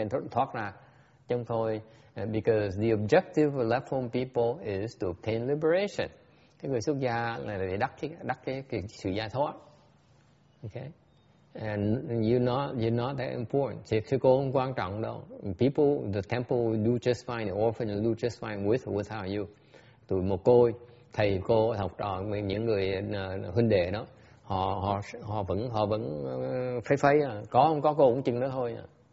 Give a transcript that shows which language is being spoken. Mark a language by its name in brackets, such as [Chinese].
[English] talk [Vietnamese] ra chung thôi, [English] because the objective of left home people is to obtain liberation. [Vietnamese] Cái người xuất gia là để đắc cái sự giải thoát. [English] Okay. And you're not that important. [Vietnamese] Thì sư cô không quan trọng đâu. [English] People, the temple will do just fine, the orphan will do just fine with or without you. [Vietnamese] Tụi mồ côi, thầy cô, học trò, những người huynh đệ đó, họ vẫn phê phê à. Có không có cô cũng chừng đó thôi. À.